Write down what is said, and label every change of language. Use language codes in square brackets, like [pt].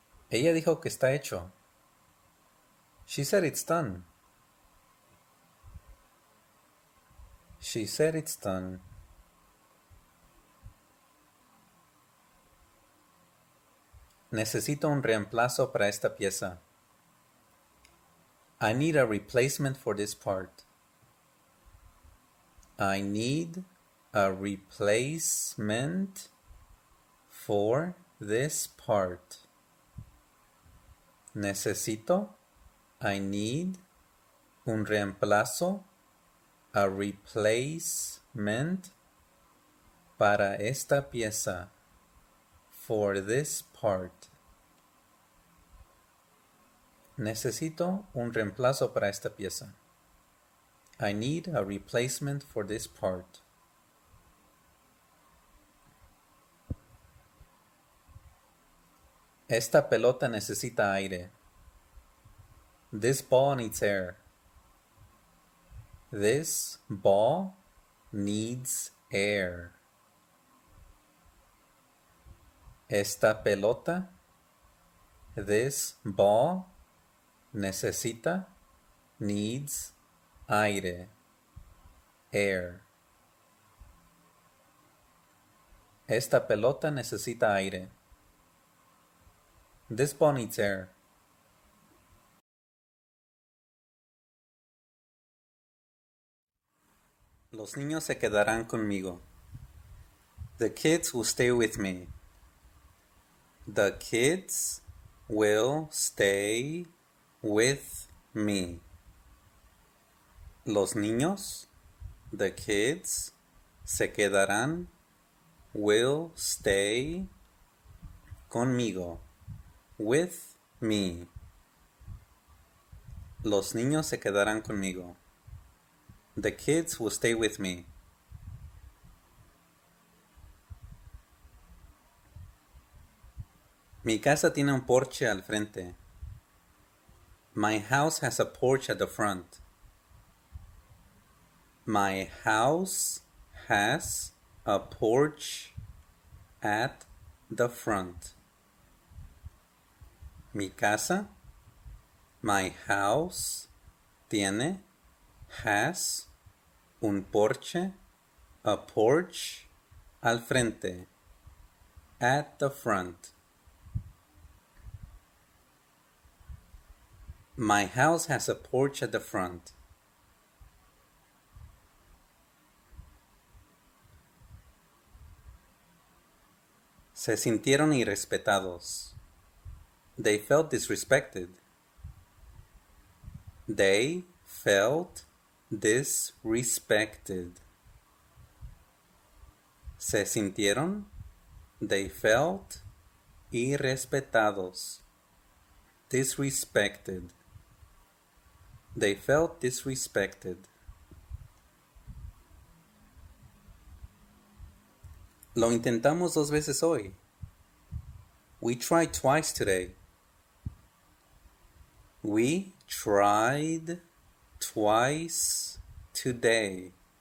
[es] Ella dijo que está hecho. [en] She said it's done. She said it's done. [es] Necesito un reemplazo para esta pieza. [en] I need a replacement for this part. I need a replacement for this part. [es] Necesito, [en] I need [es] un reemplazo, [en] a replacement [es] para esta pieza, [en] for this part. [es] Necesito un reemplazo para esta pieza. [en] I need a replacement for this part. [es] Esta pelota necesita aire. [en] This ball needs air. This ball needs air. [es] Esta pelota. [en] This ball. [es] Necesita, [en] needs, [es] aire, [en] air. [es] Esta pelota necesita aire. [en] This ball needs air. [es] Los niños se quedarán conmigo. [en] The kids will stay with me. The kids will stay with me. [es] Los niños, [en] the kids, [es] se quedarán, [en] will stay [es] conmigo, [en] with me. [es] Los niños se quedarán conmigo. [en] The kids will stay with me. [es] Mi casa tiene un porche al frente. [en] My house has a porch at the front. My house has a porch at the front. [es] Mi casa, [en] my house, [es] tiene, [en] has, [es] un porche, [en] a porch, [es] al frente, [en] at the front. My house has a porch at the front. [es] Se sintieron irrespetados. [en] They felt disrespected. They felt disrespected. [es] Se sintieron. [en] They felt [es] irrespetados. [en] Disrespected. They felt disrespected. [es] Lo intentamos dos veces hoy. [en] We tried twice today. We tried twice today.